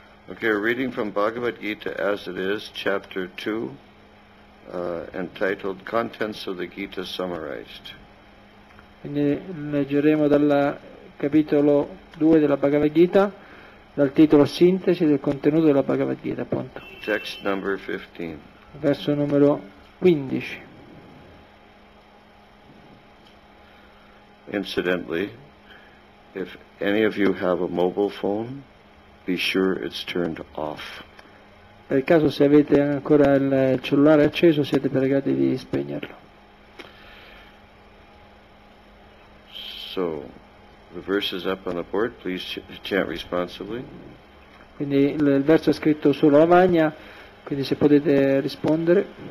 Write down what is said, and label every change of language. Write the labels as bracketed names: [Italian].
[English] Okay, we're reading from Bhagavad Gita as it is, chapter 2, entitled Contents of the Gita Summarized. [Italian] Quindi leggeremo dal capitolo 2 della Bhagavad Gita, dal titolo sintesi del contenuto della Bhagavad Gita, appunto. [English] Text number 15. [Italian] Verso numero 15. [English] Incidentally, if any of you have a mobile phone, be sure it's turned off. [Italian] Per caso se avete ancora il cellulare acceso, siete pregati di spegnerlo. [English] So, the verse is up on the board. Please chant responsibly. [Italian] Quindi il verso è scritto sulla lavagna, quindi se potete rispondere.